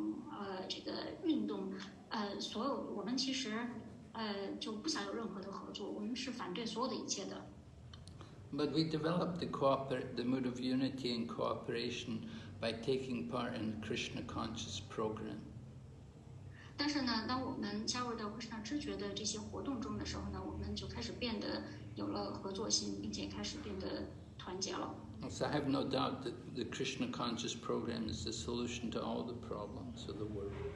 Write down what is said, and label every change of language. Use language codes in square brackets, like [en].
[en] But we developed the mood of unity and cooperation by taking part in the Krishna conscious program. [zh] 但是呢，当我们加入到Krishna知觉的这些活动中的时候呢，我们就开始变得有了合作心，并且开始变得团结了。 [en] So I have no doubt that the Krishna conscious program is the solution to all the problems of the world.